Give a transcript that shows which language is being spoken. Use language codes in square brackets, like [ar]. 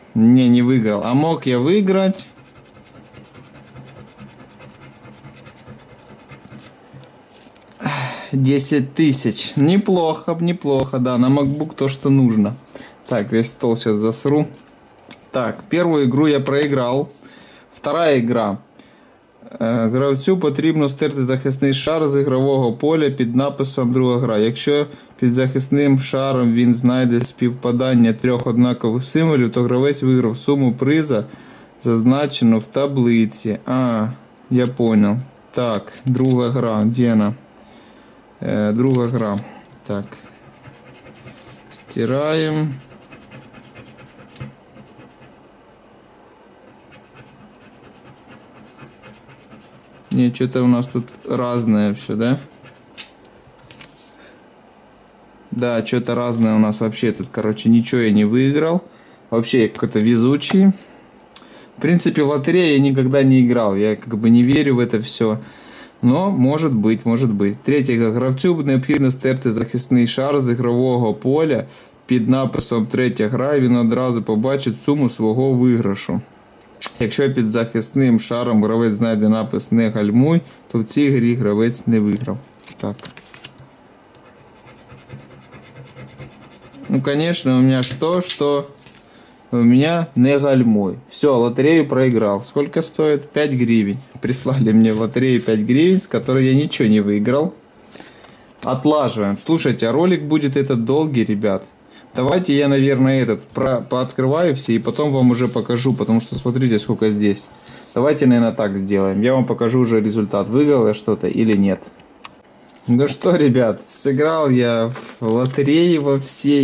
[ru] Не выиграл. А мог я выиграть 10 тысяч. Неплохо, неплохо. Да, на MacBook то, что нужно. Так, весь стол сейчас засру. Так, первую игру я проиграл. Вторая игра. [uk] Гравцю потрібно стерти захисний шар з ігрового поля під написом друга гра. Якщо під захисним шаром він знайде співпадання трьох однакових символів, то гравець виграв суму приза, зазначену в таблиці. [ru] А, я понял. [uk] Так, друга гра. Де вона? Друга гра. Так. Стираємо. [ru] Не, что-то у нас тут разное все, да? Да, что-то разное у нас вообще тут, короче, ничего я не выиграл. Вообще, я какой-то везучий. В принципе, в лотерею я никогда не играл. Я как бы не верю в это все. Но, может быть, может быть. [uk] Третье, гравцю необхідно стерти захисний шар з ігрового поля під написом третя гра, він одразу побачить суму свого виграшу. Якщо під захисним шаром гравець знайде напис «Не гальмуй», то в цій грі гравець не виграв. Так. Ну, звісно, у мене що? Що? У мене «Не гальмуй». Все, лотерею проіграв. Скільки стоїть? 5 гривень. Прислали мені в лотерею 5 гривень, з якої я нічого не виграв. Отлажуємо. [ru] Слушайте, [uk] а ролик буде цей довгий, ребят. [ru] Давайте я, наверное, этот пооткрываю все и потом вам уже покажу, потому что смотрите, сколько здесь. Давайте, наверное, так сделаем. Я вам покажу уже результат, выиграл я что-то или нет. Ну что, ребят, сыграл я в лотереи во все.